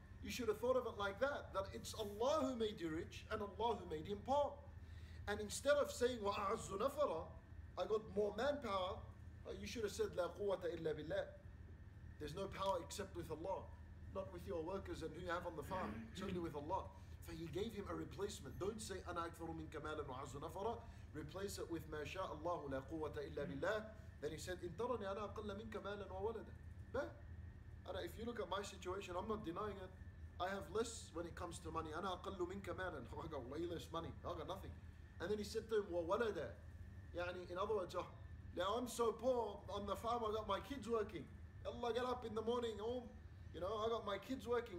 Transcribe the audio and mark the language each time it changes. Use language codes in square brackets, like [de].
[en] You should have thought of it like that, that it's Allah who made you rich and Allah who made him poor. And instead of saying, [ar] wa'azzu nafara, [en] I got more manpower, You should have said [ar] لا قوة إلا بالله. [en] There's no power except with Allah. Not with your workers and who you have on the farm. It's only with Allah. فهي gave him a replacement. Don't say [ar] أنا أكثر منك مالا وعز نفرا. [en] Replace it with [ar] ما شاء الله لا قوة إلا بالله. [en] Then he said [ar] إن ترني أنا أقل منك مالا وولدا. [en] أنا if you look at my situation, I'm not denying it. I have less when it comes to money. [ar] أنا أقل منك مالا. [en] I got way less money. I got nothing. And then he said to him وولدا. يعني in other words, oh, now I'm so poor on the farm. I got my kids working. Allah get up in the morning. Oh, you know I got my kids working.